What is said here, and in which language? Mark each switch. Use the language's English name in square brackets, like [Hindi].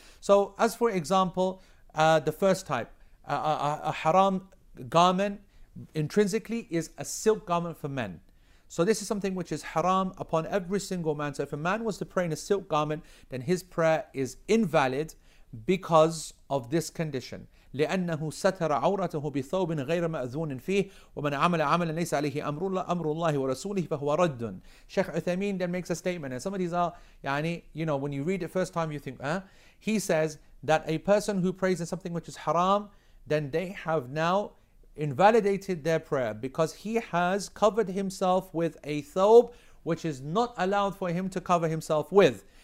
[English] So as for example, the first type, a haram garment intrinsically is a silk garment for men. So this is something which is haram upon every single man. So if a man was to pray in a silk garment, then his prayer is invalid because of this condition. [Arabic] لأنه ستر عورته بثوب غير مأذون فيه ومن عمل عملا ليس عليه أمر الله ورسوله فهو رد. [English] Sheikh Uthaymeen then makes a statement, and some of these are, when you read it first time you think, huh? He says that a person who prays in something which is haram, then they have now invalidated their prayer because he has covered himself with a thawb which is not allowed for him to cover himself with.